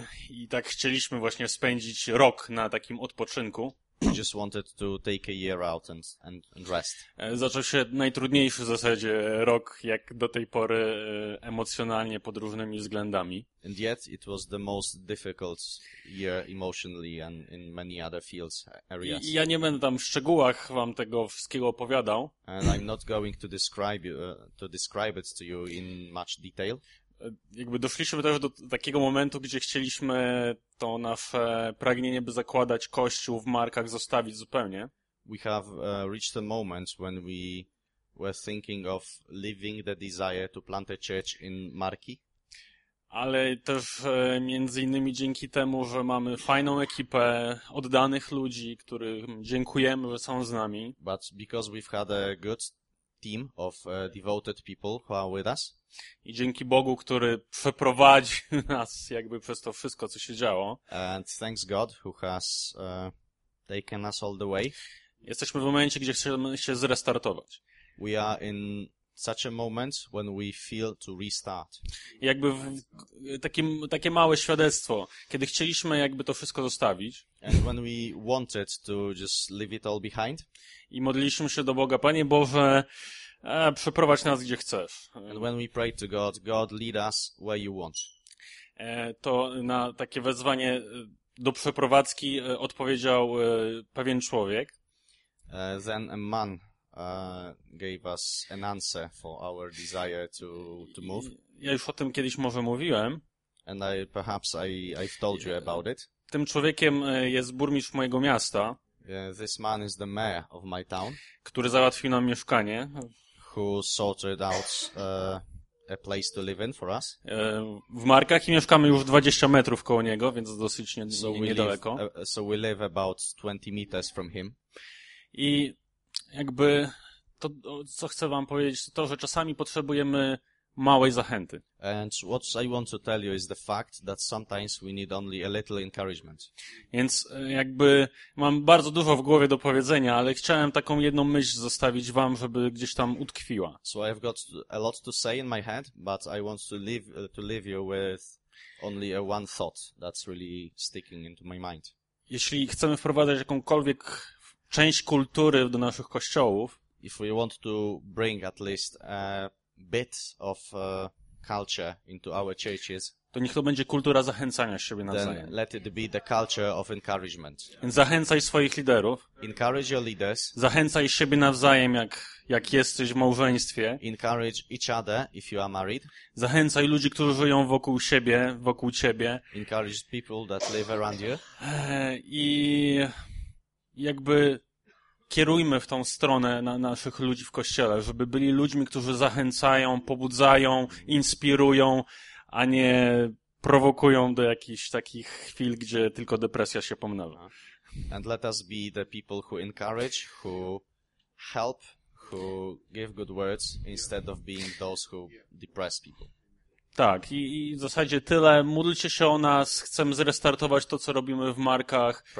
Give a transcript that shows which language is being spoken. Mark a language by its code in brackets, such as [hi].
[pl] I tak chcieliśmy właśnie spędzić rok na takim odpoczynku. [en] We just wanted to take a year out and rest. [pl] Zaczął się najtrudniejszy w zasadzie rok, jak do tej pory, emocjonalnie pod różnymi względami. [en] And yet it was the most difficult year emotionally and in many other fields, areas. [pl] I ja nie będę tam w szczegółach wam tego wszystkiego opowiadał. [en] And I'm not going to describe you, to describe it to you in much detail. [pl] Jakby doszliśmy też do takiego momentu, gdzie chcieliśmy to nasze pragnienie, by zakładać kościół w Markach, zostawić zupełnie. [en] We have reached a moment when we were thinking of leaving the desire to plant a church in Marki. [pl] Ale też między innymi dzięki temu, że mamy fajną ekipę oddanych ludzi, którym dziękujemy, że są z nami. [en] But because we've had a good team of devoted people who are with us. [pl] I dzięki Bogu, który przeprowadził nas jakby przez to wszystko, co się działo. [en] And thanks God who has taken us all the way. [pl] Jesteśmy w momencie, gdzie chcemy się zrestartować. [en] We are in such a moment when we feel to restart. [pl] Jakby takie małe świadectwo, kiedy chcieliśmy jakby to wszystko zostawić. [en] And when we wanted to just leave it all behind. [pl] I modliliśmy się do Boga, Panie Boże, przeprowadź nas gdzie chcesz. [en] And when we prayed to God, God lead us where you want. [pl] To na takie wezwanie do przeprowadzki odpowiedział pewien człowiek. [en] Then a man gave us an answer for our desire to move. [pl] Ja już o tym kiedyś może mówiłem. [en] And I've told you about it. [pl] Tym człowiekiem jest burmistrz mojego miasta. [en] This man is the mayor of my town. [pl] Który załatwił nam mieszkanie. [en] Who sorted out a place to live in for us. [pl] W Markach i mieszkamy już 20 metrów koło niego, więc dosyć niedaleko. [en] So we live about 20 meters from him. [pl] I jakby to, co chcę wam powiedzieć, to, że czasami potrzebujemy małej zachęty. [en] And what I want to tell you is the fact that sometimes we need only a little encouragement. [pl] Więc jakby mam bardzo dużo w głowie do powiedzenia, ale chciałem taką jedną myśl zostawić wam, żeby gdzieś tam utkwiła. [en] So I've got a lot to say in my head, but I want to leave you with only a one thought that's really sticking into my mind. [pl] Jeśli chcemy wprowadzać jakąkolwiek część kultury do naszych kościołów, [en] if we want to bring at least a bit of culture into our churches, [pl] to niech to będzie kultura zachęcania siebie nawzajem. [en] Let it be the culture of encouragement. [pl] Zachęcaj swoich liderów. [en] Encourage your leaders. [pl] Zachęcaj siebie nawzajem, jak jesteś w małżeństwie. [en] Encourage each other if you are married. [pl] Zachęcaj ludzi, którzy żyją wokół siebie, wokół ciebie. [en] Encourage people that live around you. [pl] I jakby kierujmy w tą stronę na naszych ludzi w kościele, żeby byli ludźmi, którzy zachęcają, pobudzają, inspirują, a nie prowokują do jakichś takich chwil, gdzie tylko depresja się pomnaża. [en] And let us be the people who encourage, who help, who give good words, instead of being those who depress people. [pl] Tak, i w zasadzie tyle. Módlcie się o nas, chcemy zrestartować to, co robimy w Markach.